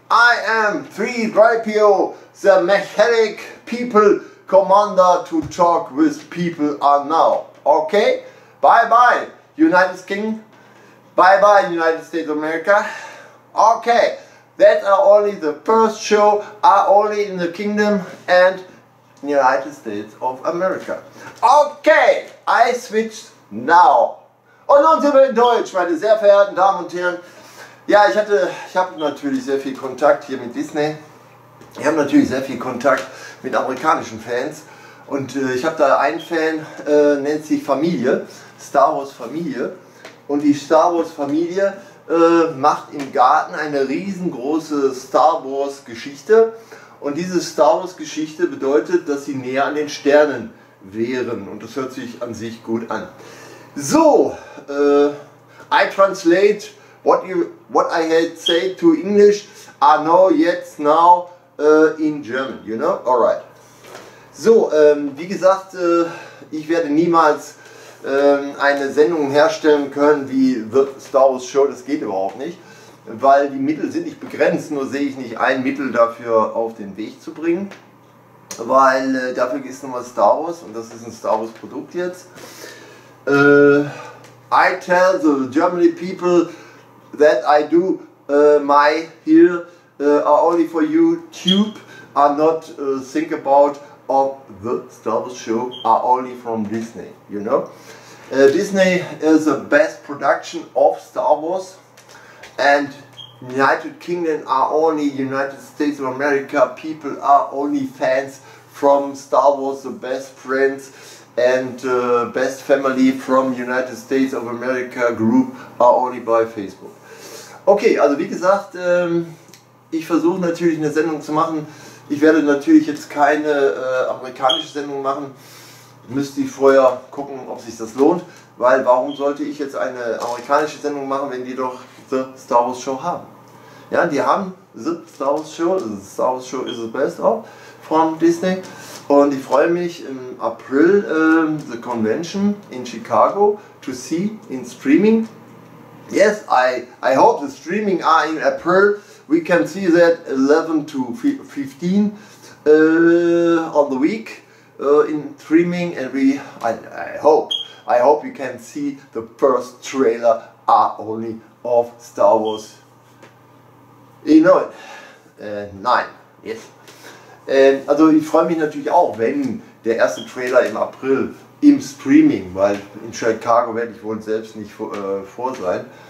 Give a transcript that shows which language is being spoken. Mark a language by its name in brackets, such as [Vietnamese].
[English] I am 3DRPO, the mechanic people commander to talk with people are now. Okay? Bye bye, United Kingdom. Bye bye, United States of America. Okay, that are only the first show, are only in the kingdom and United States of America. Okay, I switch now. [German] Und nun sind wir in Deutsch, meine sehr verehrten Damen und Herren. Ja, ich habe natürlich sehr viel Kontakt hier mit Disney. Ich habe natürlich sehr viel Kontakt mit amerikanischen Fans. Und ich habe da einen Fan, nennt sich Familie, Star Wars Familie. Und die Star Wars Familie macht im Garten eine riesengroße Star Wars Geschichte. Und diese Star Wars Geschichte bedeutet, dass sie näher an den Sternen wären. Und das hört sich an sich gut an. [English] So, I translate what I had said to English. I know jetzt now in German, you know? Alright. [German] So, wie gesagt, ich werde niemals eine Sendung herstellen können wie The Star Wars Show, das geht überhaupt nicht, weil die Mittel sind nicht begrenzt, nur sehe ich nicht ein Mittel dafür auf den Weg zu bringen, weil dafür ist nochmal Star Wars und das ist ein Star Wars Produkt jetzt. [English] I tell the German people that I do my here are only for YouTube, are not think about of the Star Wars Show are only from Disney, you know. Disney is the best production of Star Wars and United Kingdom are only United States of America, people are only fans from Star Wars, the best friends and best family from United States of America group are only by Facebook. [German] Okay, also wie gesagt, ich versuche natürlich eine Sendung zu machen. Ich werde natürlich jetzt keine amerikanische Sendung machen. Müsste ich vorher gucken, ob sich das lohnt. Weil warum sollte ich jetzt eine amerikanische Sendung machen, wenn die doch The Star Wars Show haben? Ja, die haben The Star Wars Show. [English] The Star Wars Show is the best of from Disney. [German] Und ich freue mich im April [English] The Convention in Chicago to see in streaming. Yes, I hope the streaming are in April. We can see that 11 to 15 on the week in streaming, and I hope you can see the first trailer are only of Star Wars. You know it? Nein, yes. [German] Also ich freue mich natürlich auch, wenn der erste Trailer im April im Streaming, weil in Chicago werde ich wohl selbst nicht vor sein.